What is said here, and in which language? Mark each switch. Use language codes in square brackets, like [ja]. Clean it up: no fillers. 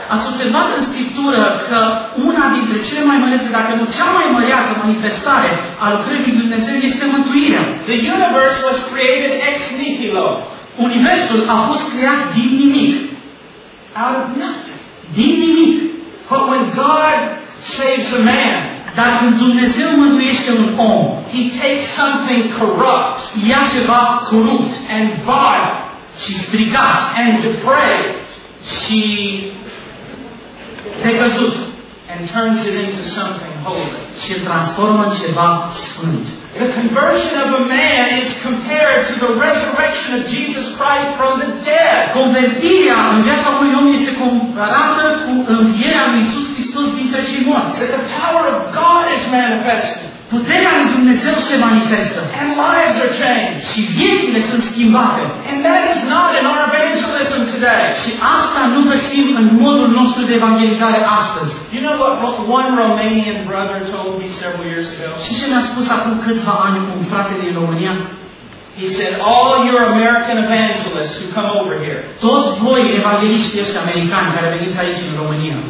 [ro] Ați observat în Scriptură că una dintre cele mai mărețe, dacă nu cea mai măreață manifestare a lucrării lui Dumnezeu este mântuirea. [en] The universe was created ex nihilo. [ro] Universul a fost creat din nimic. [en] Out of nothing. [ro] Din nimic. [en] But when God saves a man, [ro] dar când Dumnezeu mântuiește un om, [en] he takes something corrupt, [ro] ia ceva corupt, [en] and vile, [ro] și stricat, [en] and depraved, [ro] și decăzut, [en] and turns it into something holy, [ro] și îl transformă în ceva sfânt. [en] The conversion of a man is compared to the resurrection of Jesus Christ from the dead. [ro] Convertirea în viața unui om este comparată cu învierea lui Iisus Hristos dintre cei morți. [en] That the power of God is manifested. [ro] Puterea lui Dumnezeu se manifestă. [en] And lives are changed. [ro] Și viețile sunt schimbate. [en] And that is not in our evangelism today. [ro] Și asta nu găsim în modul nostru de evangelizare astăzi. [en] You know what one Romanian brother told me several years ago? [ro] Și ce mi-a spus acum câțiva ani un frate din România? [en] He said, all your American evangelists who come over here. [ro] Toți voi evangeliștii ăștia americani care veniți aici în România.